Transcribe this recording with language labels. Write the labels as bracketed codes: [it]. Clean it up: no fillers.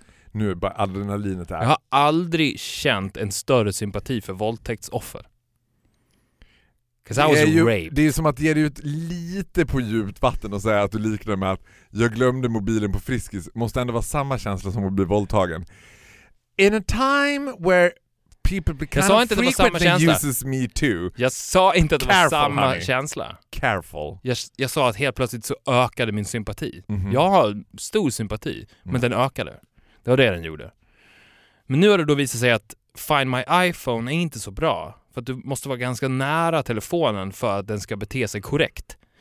[sv] Nu är bara adrenalinet här. Jag har aldrig känt en större sympati för våldtäktsoffer. Det är som att ge dig ut lite på djupt vatten och säga att du liknar med att jag glömde mobilen på Friskis. Måste ändå vara samma känsla som att bli våldtagen. [en] In a time where people become frequently uses me too. [sv] Jag sa inte att det var samma känsla. [en] Careful. [sv] Jag sa att helt plötsligt så ökade min sympati. Mm-hmm. Jag har stor sympati, men den ökade. Det var det den gjorde. Men nu har det då visat sig att Find My iPhone är inte så bra. För att du måste vara ganska nära telefonen för att den ska bete sig korrekt.